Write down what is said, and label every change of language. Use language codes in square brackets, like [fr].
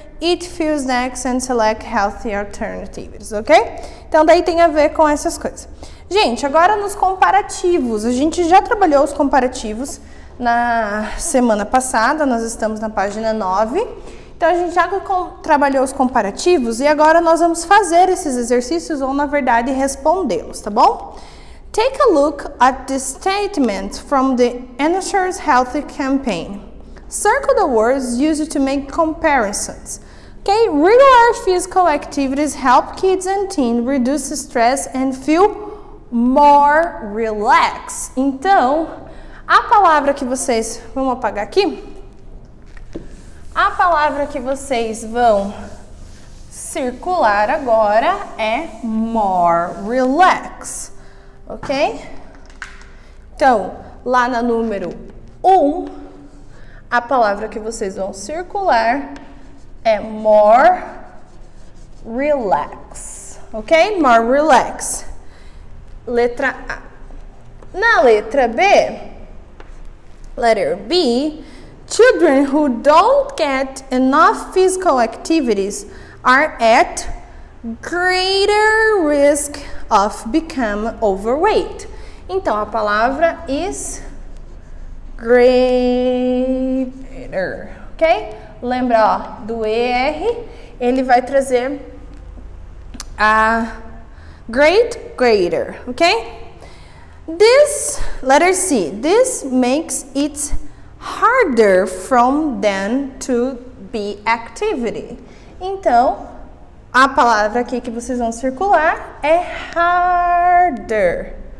[en] Eat few snacks and select healthy alternatives, ok? [pt] Então, daí tem a ver com essas coisas. Gente, agora nos comparativos. A gente já trabalhou os comparativos na semana passada. Nós estamos na página 9. Então, a gente já trabalhou os comparativos e agora nós vamos fazer esses exercícios ou, na verdade, respondê-los, tá bom? [en] Take a look at the statement from the Ensure's Healthy Campaign. Circle the words used to make comparisons. Okay, regular physical activities help kids and teens reduce stress and feel more relaxed. [pt] Então, a palavra que vocês... Vamos apagar aqui. A palavra que vocês vão circular agora é [en] more relaxed. [pt] Ok? Então, lá na número 1, a palavra que vocês vão circular é [en] more relax, [pt] ok? [en] More relax. [pt] Letra A. Na letra B, [en] letter B, children who don't get enough physical activities are at greater risk of become overweight. [pt] Então, a palavra [en] is greater, [pt] ok? Lembra, ó, do ER, ele vai trazer a greater, ok? [en] This, letter C, this makes it harder from them to be activity. [pt] Então, a palavra aqui que vocês vão circular é harder.